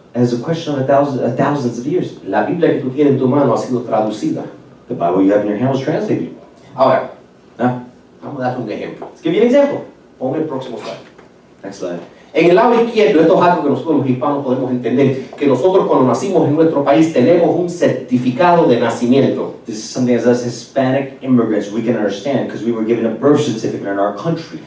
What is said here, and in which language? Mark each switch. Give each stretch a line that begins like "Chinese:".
English: As a question of thousands of years.
Spanish: La Biblia que tú tienes en tu mano ha sido traducida.
English: The Bible you have in your hand was translated.
Spanish: Ahora, ¿no? Vamos a dar un ejemplo.
English: Let's give you an example.
Spanish: Ponme el próximo slide.
English: Next slide.
Spanish: En el lado izquierdo, esto es algo que nosotros los hispanos podemos entender, que nosotros cuando nacimos en nuestro país tenemos un certificado de nacimiento.
English: This is something as us Hispanic immigrants we can understand because we were given a birth certificate in our country.